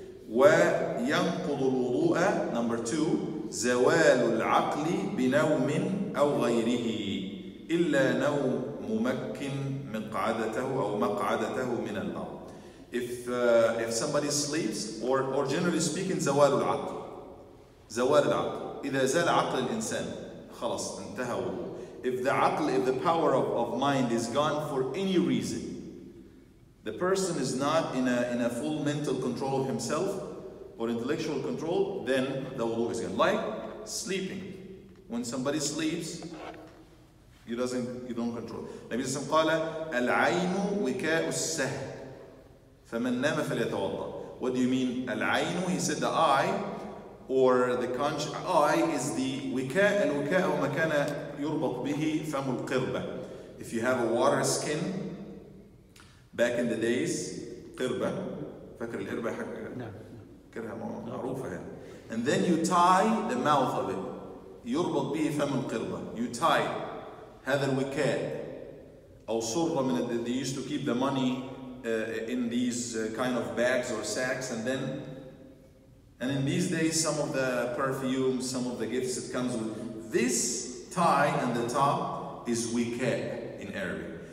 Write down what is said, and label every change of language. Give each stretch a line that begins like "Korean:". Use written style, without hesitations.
Arabic: وينقض الوضوء
English: number two
Arabic: زوال العقل بنوم أو غيره إلا نوم ممكن مقعدته أو مقعدته من الأرض.
English: If somebody sleeps or generally speaking
Arabic: زوال العقل. زوال العقل. إذا زال عقل الإنسان خلاص انتهى.
English: If the power of mind is gone for any reason, the person is not in a full mental control of himself or intellectual control, then the wudu is gone. Like sleeping. When somebody sleeps, you don't control.
Arabic: النبي صلى الله عليه وسلم قال العين وكاء السهم فمن نام فليتوضأ.
English: What do you mean العين? He said the eye or the conscious eye is the وكاء.
Arabic: الوكاء هو ما كان يربط به فم القربة.
English: If you have a water skin back in the days,
Arabic: قربة فكر القربة حق كرها معروفة هنا.
English: And then you tie the mouth of it,
Arabic: يربط به فم القربة.
English: You tie
Arabic: هذا الوكاء أو صرة من ال
English: they used to keep the money in these kind of bags or sacks, and in these days some of the perfume, some of the gifts that comes with this tie on the top is wika in Arabic.